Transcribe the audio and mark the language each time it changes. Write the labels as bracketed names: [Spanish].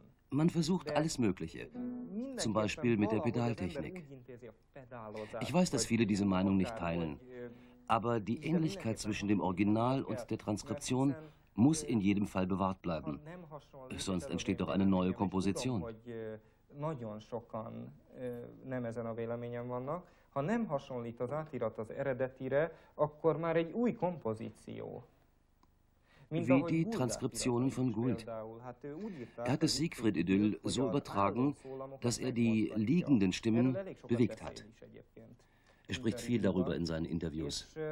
[German] Man versucht alles Mögliche, zum Beispiel mit der Pedaltechnik. Ich weiß, dass viele diese Meinung nicht teilen, aber die Ähnlichkeit zwischen dem Original und der Transkription muss in jedem Fall bewahrt bleiben. Sonst entsteht doch eine neue Komposition. [Hungarian] Nagyon sokan nem ezen a véleményen vannak. Ha nem hasonlít az átirat az eredetire, akkor már egy új kompozíció. [German] Wie die Transkriptionen von Gould. Er hat das Siegfried-Idyll so übertragen, dass er die liegenden Stimmen bewegt hat. Er spricht viel darüber in seinen Interviews.